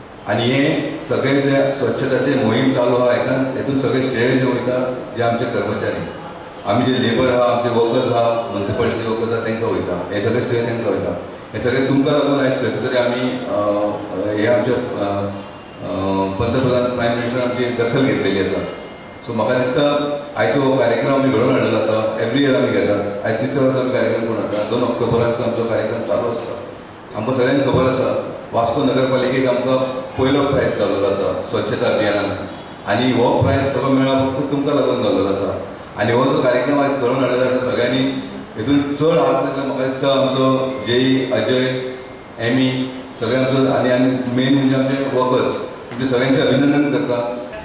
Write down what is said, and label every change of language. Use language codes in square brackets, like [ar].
[mr] आणि हे सगळे जे स्वच्छताचे मोहीम चालू आहे ना तेथून सगळे श्रेय जे वयता जे आमचे कर्मचारी आम्ही जे लेबर हा आमचे वर्कर्स हा म्युन्सिपॅलिटीचे वर्कर्स हा त्यांना वयता हे सगळे श्रेय त्यांना वयता. [kok] हे सगळे तुमकां लागून आयज कसं तरी आम्ही हे आमचे पंतप्रधान प्राईम मिनिस्टर आमची दखल घेतलेली असा. सो म्हाका दिसता आयचो हो कार्यक्रम आमी घडोवन हाडलेलो आसा. एवरी इयर आमी घेतात, आयज तिसऱ्या वर्सा आमी कार्यक्रम करून हाडटा. 2 ऑक्टोबराचो आमचो कार्यक्रम चालू आसता. आमकां सगळ्यांक खबर आसा वास्को नगरपालिकेक आमकां पयलो प्रायज गावलेलो आसा स्वच्छता अभियानान. आनी हो प्रायज सगळो मेळ्ळा फक्त तुमकां लागून गावलेलो आसा. आनी हो जो कार्यक्रम आयज घडोवन हाडलेलो आसा सगळ्यांनी हेतून चड हात घातला. म्हाका दिसता आमचो जेई अजय एमी सगळ्यांचो आनी आनी मेन म्हणजे आमचे वर्कर्स म्हणजे सगळ्यांचे अभिनंदन करता.